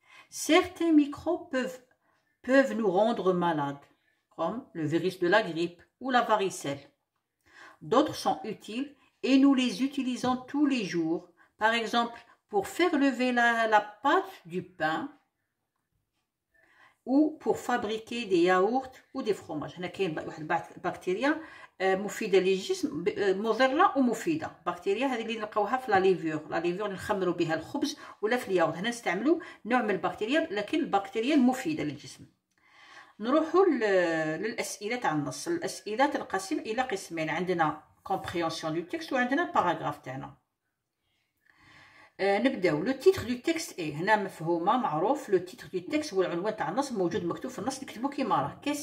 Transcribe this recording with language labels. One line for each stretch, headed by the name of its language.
French: Certains microbes peuvent nous rendre malades, comme le virus de la grippe ou la varicelle. D'autres sont utiles et nous les utilisons tous les jours, par exemple pour faire lever la pâte du pain ou pour fabriquer des yaourts ou des fromages.
Arabic: هنا كاين واحد البكتيريا مفيده للجسم، مضره او مفيده. بكتيريا هذه اللي نلقاوها في لا ليفور اللي نخمروا بها الخبز ولا في الياورت. هنا نستعملوا نوع من البكتيريا، لكن البكتيريا المفيده للجسم. نروحوا للاسئله تاع النص. الاسئله تنقسم الى قسمين، عندنا
French: compréhension du texte ou un paragraphe tana.
Arabic: نبداو.
French: Le titre du texte est
Arabic: هنا مفهوم معروف.
French: Le titre du texte ou
Arabic: العنوان تاع النص موجود مكتوب في النص، نكتبو كيما راه.